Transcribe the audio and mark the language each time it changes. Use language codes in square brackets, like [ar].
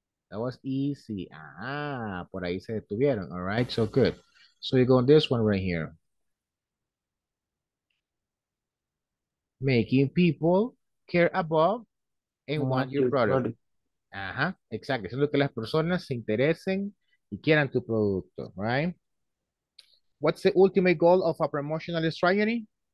[en] That was easy. [es] Ah, por ahí se detuvieron. [en] All right, so good. So you go on this one right here. Making people care about and want your product. [es] Ajá, exacto. Haciendo que las personas se interesen y quieran tu producto, right? [en] What's the ultimate goal of a promotional strategy?